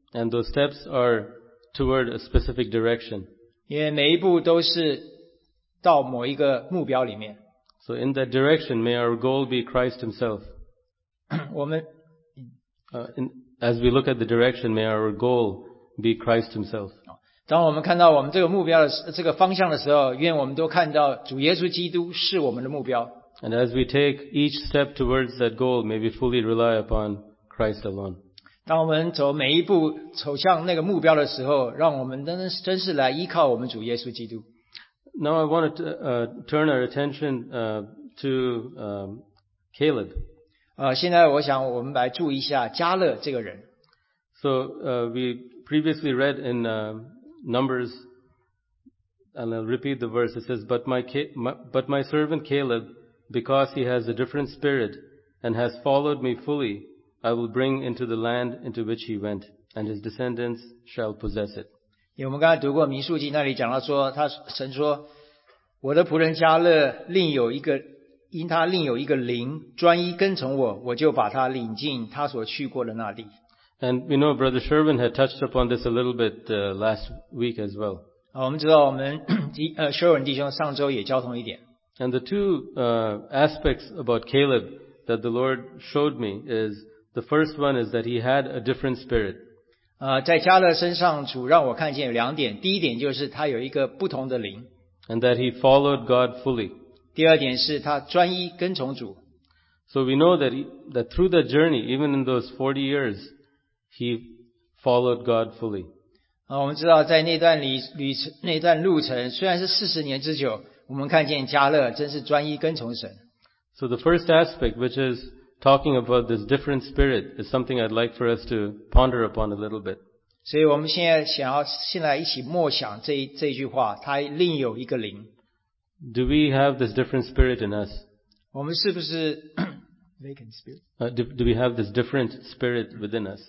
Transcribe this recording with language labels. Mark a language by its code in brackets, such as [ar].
[en] And those steps are toward a specific direction. [zh] 因为每一步都是到某一个目标里面。 [en] So in that direction, may our goal be Christ Himself. [zh] 我们 [en] as we look at the direction, may our goal be Christ Himself. [zh] 当我们看到我们这个目标的这个方向的时候，愿我们都看到主耶稣基督是我们的目标。 [en] And as we take each step towards that goal, may we fully rely upon Christ alone. [zh] 当我们走每一步走向那个目标的时候，让我们真是来依靠我们主耶稣基督。 [en] Now I want to turn our attention to Caleb. [zh] 现在我想我们来注意一下加勒这个人。 [en] So we previously read in Numbers, and I'll repeat the verse. It says, "But my servant Caleb, because he has a different spirit and has followed me fully, I will bring into the land into which he went, and his descendants shall possess it." [zh] 我们刚才读过民数记，那里讲到说，他神说，我的仆人加勒因他另有一个灵专一跟从我，我就把他领进他所去过的那地。 [en] And we know Brother Sherwin had touched upon this a little bit last week as well. [zh] 我们知道我们Sherwin弟兄上周也交通一点。 [en] And the two aspects about Caleb that the Lord showed me is the first one is that he had a different spirit. [zh] 在加勒身上主让我看见有两点，第一点就是他有一个不同的灵。 [en] And that he followed God fully. [zh] 第二点是他专一跟从主。 [en] So we know that through the journey, even in those 40 years, he followed God fully. [zh] 我们知道在那段路程虽然是40年之久，我们看见加勒真是专一跟从神。 [en] So the first aspect, which is talking about this different spirit, is something I'd like for us to ponder upon a little bit. [zh] 所以我们现在想要一起默想这句话, 它另有一个灵。 [en] Do we have this different spirit in us? [zh] 我们是不是 [en] vacant spirit? Do we have this different spirit within us?